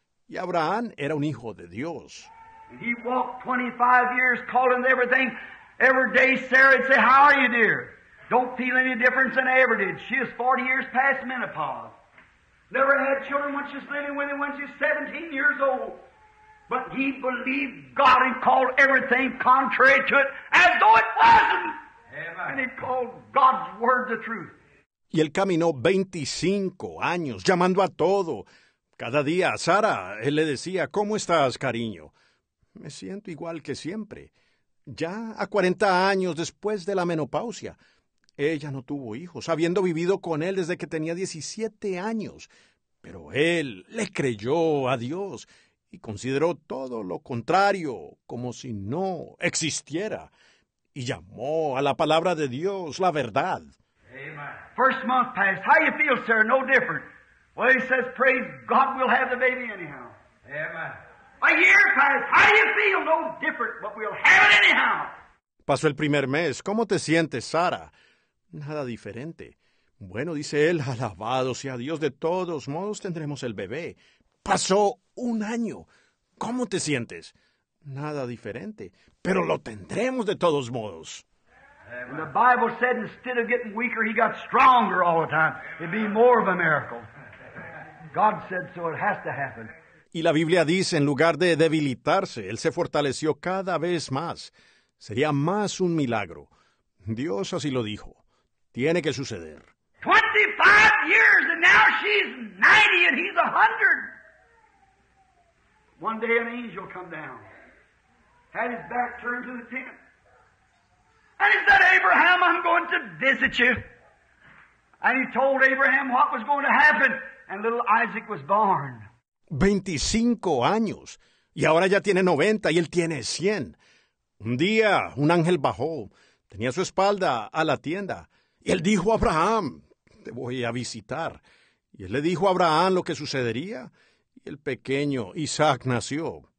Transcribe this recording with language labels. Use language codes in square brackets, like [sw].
[es] Y Abraham era un hijo de Dios. [en] He walked 25 years calling everything, every day Sarah would say, how are you, dear? Don't feel any difference than I ever did. She is 40 years past menopause. Never had children when she's living with him when she's 17 years old. But he believed God and called everything contrary to it as though it wasn't. Amen. And he called God's word the truth. [es] Y él caminó 25 años llamando a todo. Cada día a Sara, él le decía, ¿cómo estás, cariño? Me siento igual que siempre. Ya a 40 años después de la menopausia, ella no tuvo hijos, habiendo vivido con él desde que tenía 17 años. Pero él le creyó a Dios y consideró todo lo contrario, como si no existiera. Y llamó a la palabra de Dios la verdad. [en] Amen. First month passed. How you feel, sir? No different. Well, he says, praise God, we'll have the baby anyhow. Amen. A year passed. How do you feel? No different, but we'll have it anyhow. [es] Pasó el primer mes. ¿Cómo te sientes, Sara? Nada diferente. Bueno, dice él, alabado sea Dios. De todos modos, tendremos el bebé. Pasó un año. ¿Cómo te sientes? Nada diferente. Pero lo tendremos de todos modos. [en] And the Bible said instead of getting weaker, he got stronger all the time. It'd be more of a miracle. God said so, it has to happen. [es] Y la Biblia dice, en lugar de debilitarse, él se fortaleció cada vez más. Sería más un milagro. Dios así lo dijo. Tiene que suceder. [en] 25 years and now she's 90 and he's 100. One day an angel come down. Had his back turned to the tent. And he said, Abraham, I'm going to visit you. And he told Abraham what was going to happen. And little Isaac was born. [es] 25 años. Y ahora ya tiene 90 y él tiene 100. Un día, un ángel bajó. Tenía su espalda a la tienda. Y él dijo a Abraham, te voy a visitar. Y él le dijo a Abraham lo que sucedería. Y el pequeño Isaac nació.